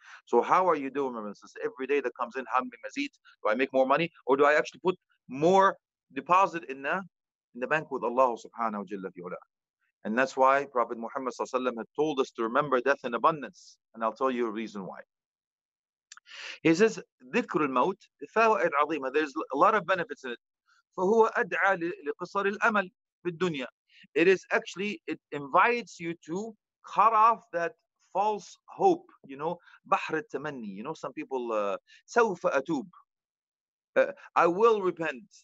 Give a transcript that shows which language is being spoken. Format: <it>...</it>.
<en>So how are you doing, my brothers? Every day that comes in,</en> <ar>hammi mazid.</ar> <en>Do I make more money or do I actually put more deposit in the bank with Allah subhanahu wa jalla fi ula. And that's why Prophet Muhammad sallallahu alaihi wasallam had told us to remember death in abundance. And I'll tell you a reason why. He says,</en> <ar>ذِكْرُ الْمَوْتِ فَوَأَدْ عَظِيمًا.</ar> <en>There's a lot of benefits in it.</en> <ar>فَهُوَ أَدْعَى لِقِصَرِ الْأَمَلِ فِي الدُّنْيَا.</ar> <en>It is actually, it invites you to cut off that false hope, you know,</en> <ar>بحر التمني.</ar> <en>You know, some people,</en> <ar>سوف أتوب.</ar> <en>I will repent.</en>